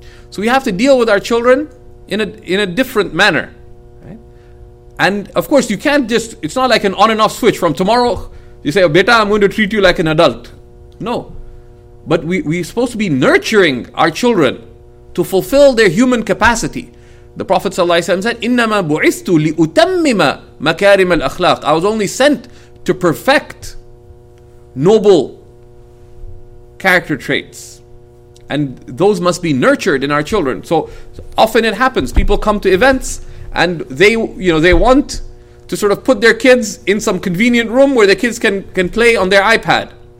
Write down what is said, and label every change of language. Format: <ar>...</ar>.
<en>So we have to deal with our children in a different manner. And of course, you can't just, it's not like an on and off switch. From tomorrow, you say, oh, beta, I'm going to treat you like an adult. No. But we're supposed to be nurturing our children to fulfill their human capacity. The Prophet ﷺ said,</en> <ar>إِنَّمَا بُعِثْتُ لِأُتَمِّمَ مَكَارِمَ الْأَخْلَاقِ.</ar> <en>I was only sent to perfect noble character traits. And those must be nurtured in our children. So often it happens. People come to events, and they, you know, they want to sort of put their kids in some convenient room where the kids can play on their iPad.</en>